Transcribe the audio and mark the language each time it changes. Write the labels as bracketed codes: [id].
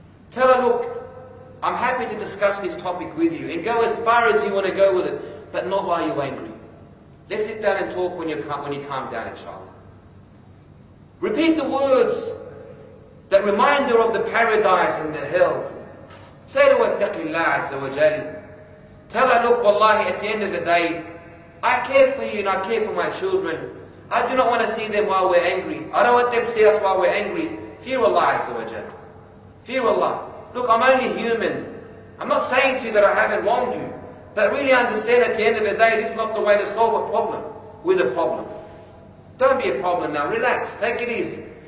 [en] Tell her, look, I'm happy to discuss this topic with you and go as far as you want to go with it, but not while you're angry. Let's sit down and talk when you calm down, inshallah. Repeat the words that remind her of the paradise and the hell. Say to her, [ar] اتَّقِ اللَّهِ عَزَّ وَجَلِ. [en] Tell her, look, wallahi, at the end of the day, I care for you and I care for my children. I do not want to see them while we're angry. I don't want them to see us while we're angry. Fear Allah, عَزَّ وَجَلِ. Fear Allah. Look, I'm only human. I'm not saying to you that I haven't wronged you. But really understand, at the end of the day, this is not the way to solve a problem with a problem. Don't be a problem now. Relax. Take it easy.